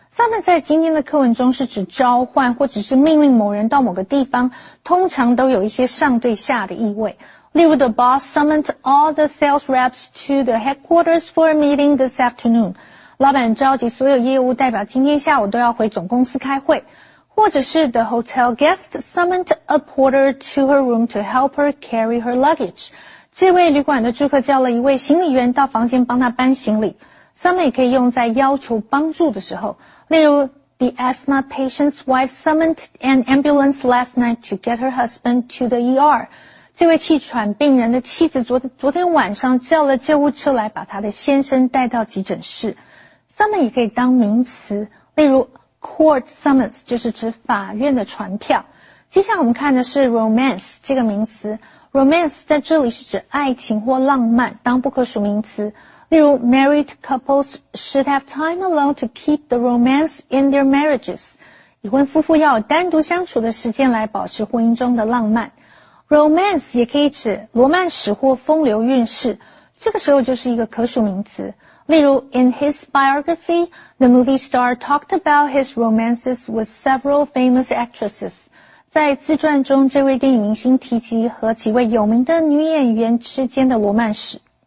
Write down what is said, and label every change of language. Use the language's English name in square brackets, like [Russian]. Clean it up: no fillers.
[Chinese] summon 在今天的课文中是指召唤或者是命令某人到某个地方，通常都有一些上对下的意味。例如 [English] the boss summoned all the sales reps to the headquarters for a meeting this afternoon. [Chinese] 老板召集所有业务代表今天下午都要回总公司开会。或者是 [English] the hotel guest summoned a porter to her room to help her carry her luggage. [Chinese] 这位旅馆的住客叫了一位行李员到房间帮他搬行李。 Summon 也可以用在要求帮助的时候。例如 [English] ,the asthma patient's wife summoned an ambulance last night to get her husband to the ER. [Chinese] 这位气喘病人的妻子昨天晚上叫了救护车来把他的先生带到急诊室。 Summon 也可以当名词。例如 ,court summons 就是指法院的传票。接下来我们看的是 romance 这个名词。Romance 在这里是指爱情或浪漫，当不可数名词。例如 [English] ,married couples should have time alone to keep the romance in their marriages. [Chinese] 已婚夫妇要有单独相处的时间来保持婚姻中的浪漫。 Romance 也可以指罗曼史或风流韵事，这个时候就是一个可数名词。例如 [English] ,in his biography, the movie star talked about his romances with several famous actresses. [Chinese] 在自传中，这位电影明星提及和几位有名的女演员之间的罗曼史。